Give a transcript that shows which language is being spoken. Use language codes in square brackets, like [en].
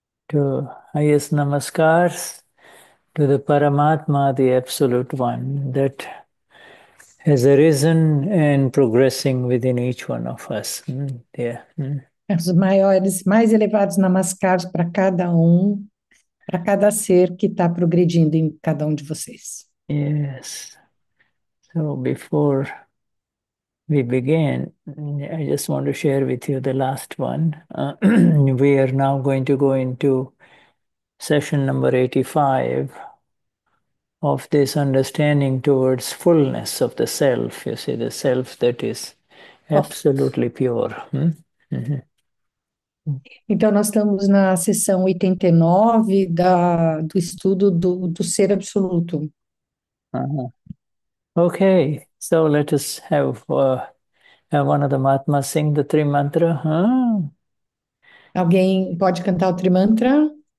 [en] To highest namaskars to the Paramatma, the Absolute One, that has arisen and progressing within each one of us. [pt] Os maiores, mais elevados namaskars para cada um, para cada ser que está progredindo em cada um de vocês. [en] Yes. So before we begin, I just want to share with you the last one. We are now going to go into session number 85 of this understanding towards fullness of the self. You see, the self that is absolutely pure. [pt] Então, nós estamos na sessão 89 do estudo do ser absoluto. [en] Okay, so let us have one of the Mahatmas sing the three mantra. [pt] Alguém pode cantar o trimantra?